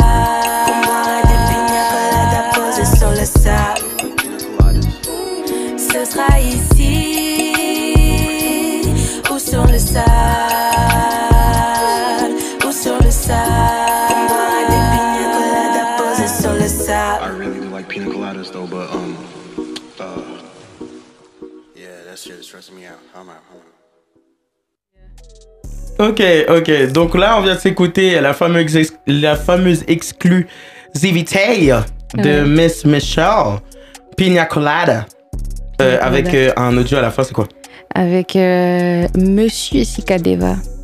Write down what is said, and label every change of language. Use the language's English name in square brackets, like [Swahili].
[French] Qu'on boirait des pina coladas posées sur le sable. Ce sera ici ou sur le sable, ou sur le sable. Qu'on boirait des pina coladas posées sur le sable. [English] I really do like pina coladas though, but yeah, that shit is stressing me out. I'm out. [French] Ok, donc là on vient de s'écouter la fameuse exclusivité de Miss Michelle, Pina Colada, avec un audio à la fin, c'est quoi? Avec Monsieur Sikadeva.